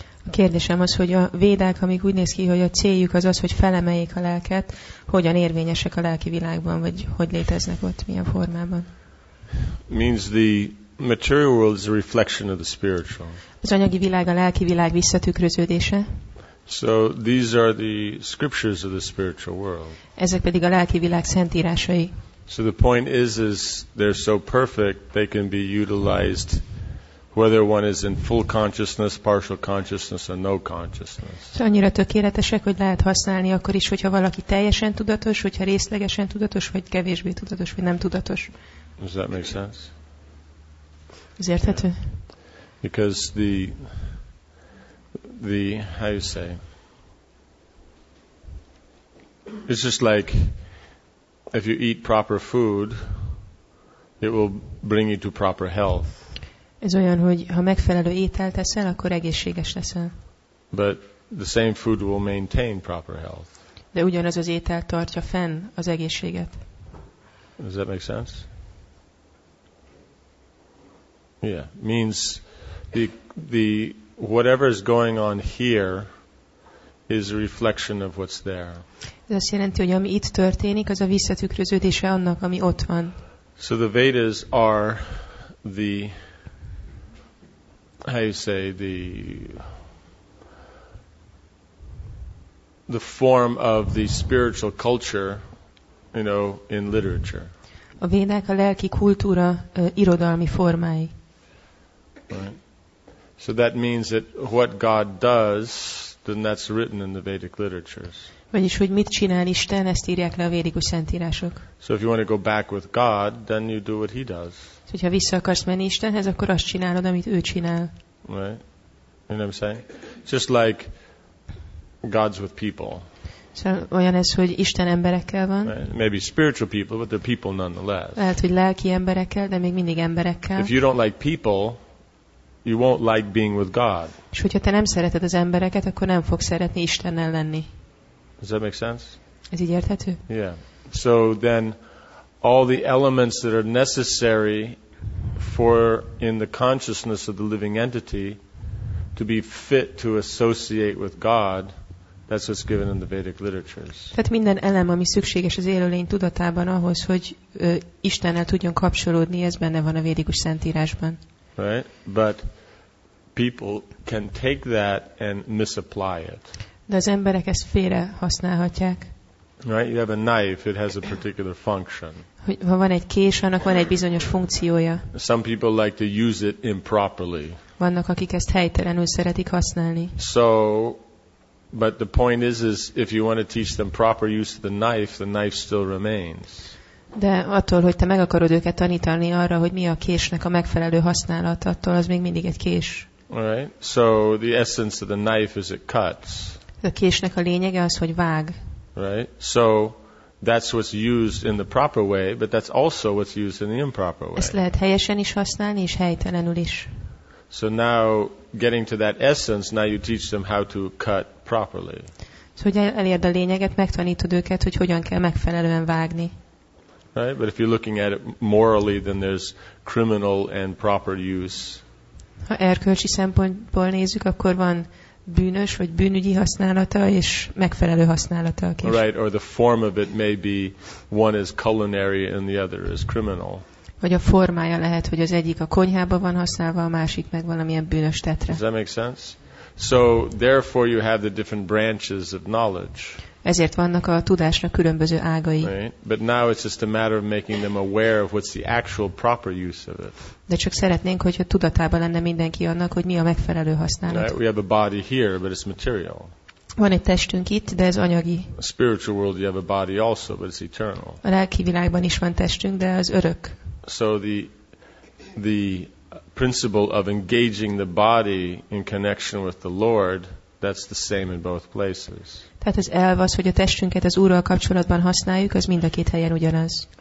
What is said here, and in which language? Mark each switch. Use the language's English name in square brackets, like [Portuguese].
[Hungarian] Kérdésem az, hogy a védák, amik úgy néz ki, hogy a céljuk az az, hogy felemeljék a lelket, hogyan érvényesek a lelki világban, vagy hogy léteznek ott, milyen formában? [English] Means the material world is a reflection of the spiritual. [Hungarian] Az anyagi világ a lelki világ visszatükröződése. [English] So these are the scriptures of the spiritual world. [Hungarian] Ezek pedig a lelki világ szentírásai. [English] So the point is they're so perfect they can be utilized whether one is in full consciousness, partial consciousness, or no consciousness. [Hungarian] Annyira tökéletesek, hogy lehet használni akkor is, hogyha valaki teljesen tudatos, hogyha részlegesen tudatos, vagy kevésbé tudatos, vagy nem tudatos. [English] Does that make sense? [Hungarian] Ez érthető? [English] Because the how you say? It's just like if you eat proper food, it will bring you to proper health. [Hungarian] Ez olyan, hogy ha megfelelő ételt eszel, akkor egészséges leszel. [English] But the same food will maintain proper health. [Hungarian] De ugyanaz az étel tartja fenn az egészséget. [English] Does that make sense? Yeah, means the whatever is going on here is a reflection of what's there. [Hungarian] Ez azt jelenti, hogy ami itt történik, az a visszatükröződése annak, ami ott van. [English] So the Vedas are the how you say the form of the spiritual culture, you know, in literature. [Hungarian] A védák a lelki kultúra irodalmi formái. [English] Right. So that means that what God does, then that's written in the Vedic literatures. [Hungarian] Vagyis, hogy mit csinál Isten, ezt írják le a védikus szentírások. [English] So if you want to go back with God, then you do what he does. [Hungarian] So, hogyha vissza akarsz menni Istenhez, akkor azt csinálod, amit ő csinál. [English] Right? You know what I'm saying? Just like God's with people. [Hungarian] So, olyan ez, hogy Isten emberekkel van. [English] Right? Maybe spiritual people, but they're people nonetheless. [Hungarian] Lehet, hogy lelki emberekkel, de még mindig emberekkel. [English] If you don't like people, you won't like being with God. [Hungarian] És hogyha te nem szereted az embereket, akkor nem fogsz szeretni Istennel lenni. [English] Does that make sense? [Hungarian] Ez így érthető? [English] Yeah. So then, all the elements that are necessary for in the consciousness of the living entity to be fit to associate with God, that's what's given in the Vedic literatures. [Hungarian] Tehát minden elem, ami szükséges az élőlény tudatában ahhoz, hogy Istennel tudjon kapcsolódni, ez benne van a védikus szentírásban. [English] Right? But people can take that and misapply it. [Hungarian] De az emberek ezt félre használhatják. [English] Right? You have a knife, it has a particular function. [Hungarian] Ha van egy kés, annak van egy bizonyos funkciója. [English] Some people like to use it improperly. [Hungarian] Vannak, akik ezt helytelenül szeretik használni. [English] So, but the point is if you want to teach them proper use of the knife still remains. [Hungarian] De attól, hogy te meg akarod őket tanítani arra, hogy mi a késnek a megfelelő használata, attól az még mindig egy kés. [English] Alright, so the essence of the knife is it cuts. [Hungarian] A késnek a lényege az, hogy vág. [English] Right, so that's what's used in the proper way, but that's also what's used in the improper way. [Hungarian] Ezt lehet helyesen is használni, és helytelenül is. [English] So now, getting to that essence, now you teach them how to cut properly. [Hungarian] Szóval, hogy elérd a lényeget, megtanítod őket, hogy hogyan kell megfelelően vágni. [English] Right, but if you're looking at it morally, then there's criminal and proper use. [Hungarian] Ha erkölcsi szempontból nézzük, akkor van bűnös vagy bűnügyi használata és megfelelő használata a kés. [English] Right, or the form of it may be one is culinary and the other is criminal. [Hungarian] Vagy a formája lehet, hogy az egyik a konyhában van használva, a másik meg valamilyen bűnös tetre. [English] Does that make sense? So therefore you have the different branches of knowledge. [Hungarian] Ezért vannak a tudásnak különböző ágai. [English] Right? But now it's just a matter of making them aware of what's the actual proper use of it. [Hungarian] De csak szeretnénk, hogyha tudatában lenne mindenki annak, hogy mi a megfelelő használat. [English] Right? We have a body here, but it's material. [Hungarian] Van egy testünk itt, de ez anyagi. [English] A spiritual world, you have a body also, but it's eternal. [Hungarian] A lelki világban is van testünk, de az örök. [English] So the principle of engaging the body in connection with the Lord, that's the same in both places. [Hungarian] Tehát az elv az, hogy a testünket az Úrral kapcsolatban használjuk, az mind a két helyen ugyanaz.